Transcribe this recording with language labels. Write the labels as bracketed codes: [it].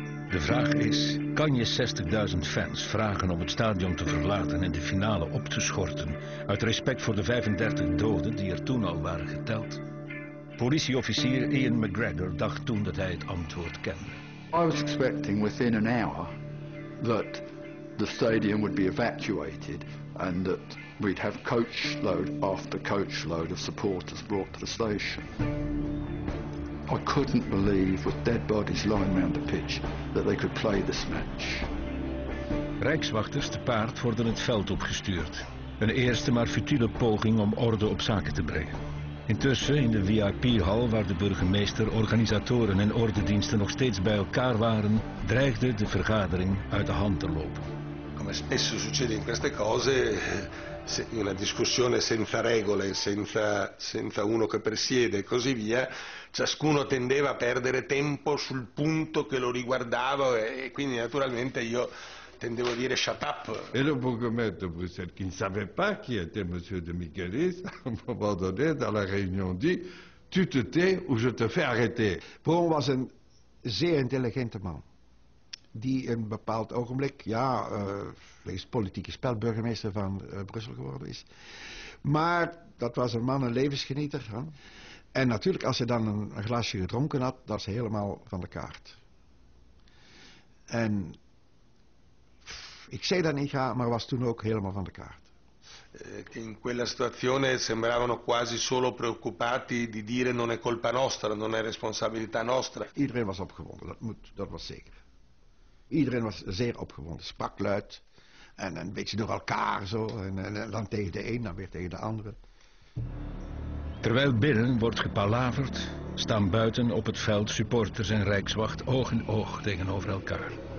[nl] De vraag is, kan je 60.000 fans vragen om het stadion te verlaten en de finale op te schorten uit respect voor de 35 doden die er toen al waren geteld? Politieofficier Ian McGregor dacht toen dat hij het antwoord kende. [en] I was expecting within an hour that the stadium would be evacuated and that we'd have coachload after coachload of supporters brought to the station. I couldn't believe with dead bodies lying around the pitch that they could play this match. [nl] Rijkswachters te paard worden het veld opgestuurd. Een eerste maar futiele poging om orde op zaken te brengen. Intussen in de VIP-hal waar de burgemeester, organisatoren en ordendiensten nog steeds bij elkaar waren, dreigde de vergadering uit de hand te lopen. [it] Come spesso succede in queste cose, in una discussione senza regole, senza uno che presiede e così via, ciascuno tendeva a perdere tempo sul punto che lo riguardava e quindi naturalmente io tendevo a dire [en] shut up. [it] Era un po' come detto, Bruxelles, chi non sapeva chi era il monsieur de Michelis, a un po' donné, dalla riunione di, [fr] tu te tais ou je te fais arrêter. [nl] Bron was een zeer intelligente man. Die in een bepaald ogenblik, ja, wees politieke spel, burgemeester van Brussel geworden is. Maar dat was een man, een levensgenieter. Hè? En natuurlijk, als hij dan een glaasje gedronken had, dat is helemaal van de kaart. En ik zei dat niet graag, maar was toen ook helemaal van de kaart. [it] In quella situazione sembravano quasi solo preoccupati di dire non è colpa nostra, non è responsabilità nostra. [nl] Iedereen was opgewonden, dat was zeker. Iedereen was zeer opgewonden, sprak luid en een beetje door elkaar zo. En dan tegen de een, dan weer tegen de andere. Terwijl binnen wordt gepalaverd, staan buiten op het veld supporters en Rijkswacht oog in oog tegenover elkaar.